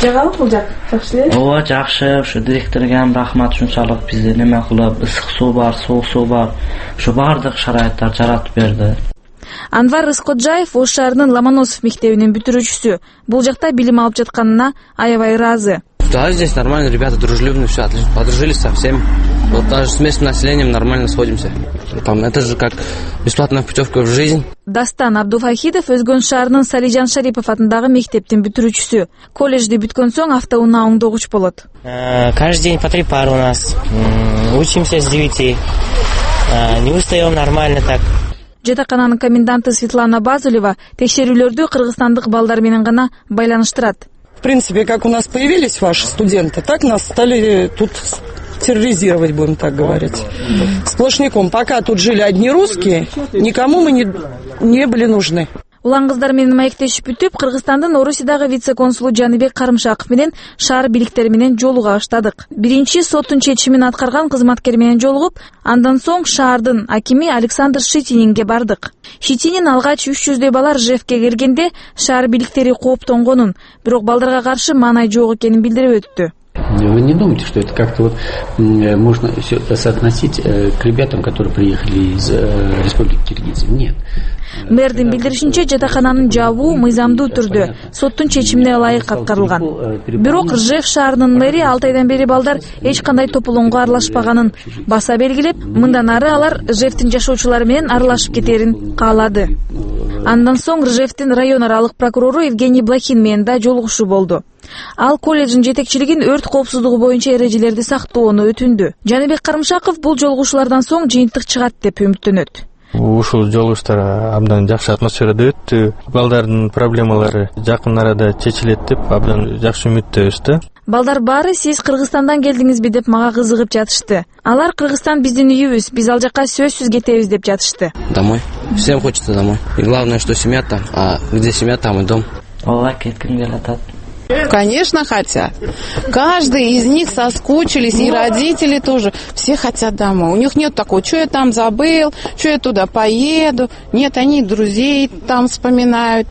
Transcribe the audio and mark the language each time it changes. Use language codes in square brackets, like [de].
[ky] Жагалып бул жак жакшы эле? Ооба, жакшы. Ушу директорго ам рахмат, ушунчалык бизди неме кылып, ысык суу бар, суук суу бар, ушу баардык шарайыттар жаратып берди. Анвар Рыскоджаев Ош шаарынын Ломоносов мектебинин бүтүрүүчүсү. Бул жакта билим алып жатканына аябай ыраазы. [ru] Да, здесь нормально, ребята дружелюбные, все отлично, подружились со всеми. Вот даже с местным населением нормально сходимся. Там это же как бесплатная путевка в жизнь. [ky] Дастан Абдуфахидов Өзгөн шаарынын Салижан Шарипов атындагы мектептин бүтүрүүчүсү. Колледжди бүткөн соң автоунаа оңдогуч болот. [ru] Каждый день по 3 пары у нас. Учимся с 9. Не устаем нормально так. [ky] Жатакананын коменданты Светлана Базулева текшерүүлөрдү кыргызстандык балдар менен гана байланыштырат. [ru] В принципе, как у нас появились ваши студенты, так нас стали тут терроризировать, будем так говорить, сплошняком. Пока тут жили одни русские, никому мы не были нужны. [ky] Улан кыздар менен маектешип бүтүп, Кыргызстандын Орусиядагы вице-консулу Жаныбек Карымшаков менен шаар бийликтери менен жолуга баштадык. Биринчи соттун чечимин аткарган кызматкер менен жолугуп, андан соң шаардын акими Александр Шитининге бардык. Шитинин алгач 300 балдар Жевке келгенде шаар бийликтери кооптонгонун, бирок балдарга каршы маанай жок экенин билдирип өттү. [ru] Вы не думаете, что это как-то вот можно все соотносить к ребятам, которые приехали из Республики Киргизия? Нет. [ky] Мэрдин билдиришинче жатакананын жабуу мыйзамдуу түрдө соттун чечимине ылайык аткарылган. Бирок Ржев шаарынын мэри 6 айдан бери балдар эч кандай тополоңго аралашпаганын баса белгилеп, мындан ары алар Ржевтин жашоочулары менен аралашып кетерин каалады. Андан соң Ржевтин районаралык прокурору Евгений Блохин менен да жолугушуу болду. Ал коллеждин жетекчилигин өрт коопсуздугу боюнча эрежелерди сактоону өтүндү. Жаныбек Карымшаков бул жолугушулардан соң жыйынтык чыгат деп үмүттөнөт. Ушул жолугуштар абдан жакшы атмосферада өттү. Балдардын проблемалары жакын арада чечилет деп абдан жакшы үмүттөбүз да. Балдар баары сиз Кыргызстандан келдиңизби деп мага кызыгып жатышты. Алар Кыргызстан биздин үйүбүз, биз ал жакка сөзсүз кетебиз деп жатышты. [ru] Домой. Всем хочется домой. И главное, что семья там, а где семья, там и дом. [ky] Ола кеткин келатат. [ru] Конечно, хотят. Каждый из них соскучились, и родители тоже. Все хотят домой. У них нет такого, что я там забыл, что я туда поеду. Нет, они друзей там вспоминают.